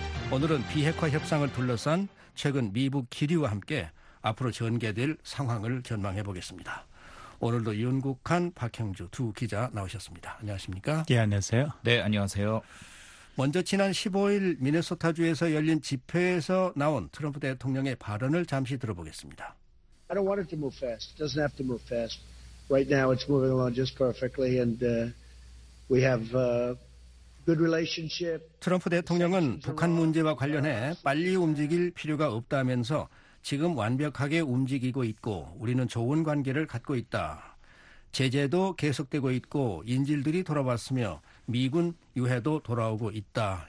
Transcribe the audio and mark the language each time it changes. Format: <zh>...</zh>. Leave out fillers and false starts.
<ko>오늘은 비핵화 협상을 둘러싼 최근 미북 기류와 함께 앞으로 전개될 상황을 전망해보겠습니다. 오늘도 윤국한, 박형주 두 기자 나오셨습니다. 안녕하십니까? 예, 안녕하세요. 네, 안녕하세요. 먼저 지난 15일 미네소타주에서 열린 집회에서 나온 트럼프 대통령의 발언을 잠시 들어보겠습니다.</ko> <en>I don't want it to move fast. It doesn't have to move fast. Right now it's moving along just perfectly and we have good relationship.</en> <ko>트럼프 대통령은 북한 문제와 관련해 빨리 움직일 필요가 없다면서 지금 완벽하게 움직이고 있고 우리는 좋은 관계를 갖고 있다. 제재도 계속되고 있고 인질들이 돌아왔으며 미군 유해도 돌아오고 있다.</ko>